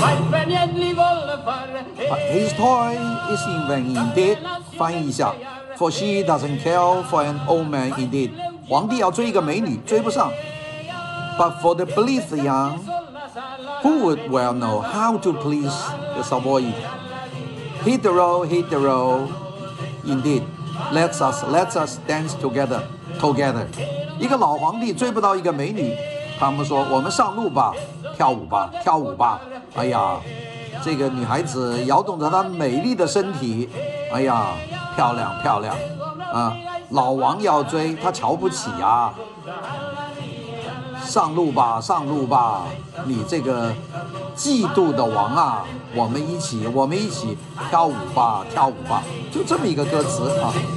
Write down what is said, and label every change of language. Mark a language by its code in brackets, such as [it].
[en] But his toy is in vain indeed. [zh] 翻译一下 [en] ，For she doesn't care for an old man indeed. [zh] 皇帝要追一个美女，追不上。 [en] But for the blithe young, who would well know how to please the Savoy? Hit the road, hit the road, indeed. Let us dance together, together. [zh] 一个老皇帝追不到一个美女，他们说我们上路吧，跳舞吧，跳舞吧。哎呀。这个女孩子摇动着她美丽的身体，哎呀漂亮漂亮啊，老王要追她瞧不起啊，上路吧上路吧，你这个嫉妒的王啊，我们一起跳舞吧跳舞吧，就这么一个歌词啊。